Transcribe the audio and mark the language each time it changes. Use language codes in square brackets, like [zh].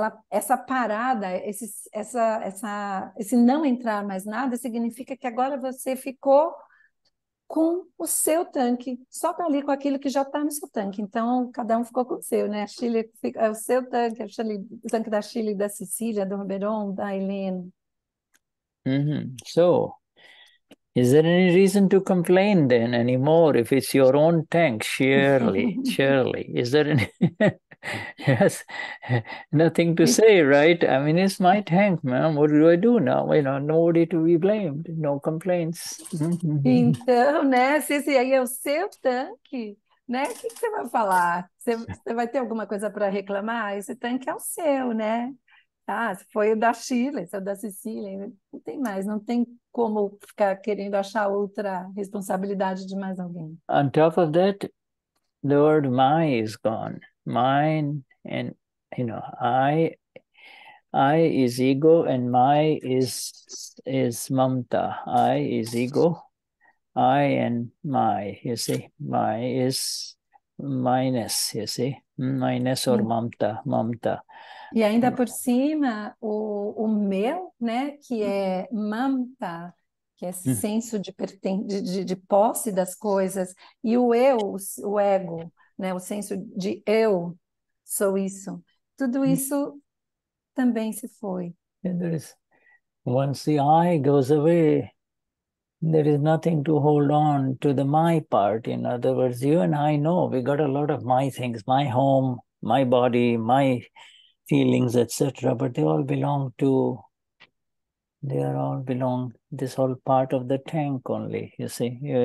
[pt] Essa parada, esse não entrar mais nada, significa que agora você ficou com o seu tanque, só tá ali com aquilo que já está no seu tanque. Então, cada um ficou com o seu, né? É o seu tanque, o tanque da Chile, da Cecília, do Roberon, da Helena. [en] So, is there any reason to complain then anymore if it's your own tank, Shirley? Shirley, is there any? Yes, nothing to say, right? I mean, it's my tank, ma'am. What do I do now? Nobody to be blamed, no complaints. [pt] Então, né, se aí é o seu tanque, né? O que que você vai falar? Você vai ter alguma coisa para reclamar? Esse tanque é o seu, né? Ah, foi o da Chile, seu da Sicília. Não tem mais, não tem como ficar querendo achar outra responsabilidade de mais alguém. [en] On top of that, the word my is gone. Mine and I is ego and my is mamta. I is ego. I and my, you see, my is minus, you see, minus or [pt] Sim. [en] mamta, mamta. [pt] E ainda por cima, o meu, né, que é mamta, que é esse senso de, de posse das coisas, e o eu, o ego, né, o senso de eu sou isso, tudo isso também se foi. [en] There is, once the I goes away, there is nothing to hold on to the my part. In other words, you and I know we got a lot of my things, my home, my body, my feelings, etc. But they all belong to, they are all belong, this all part of the tank only, you see.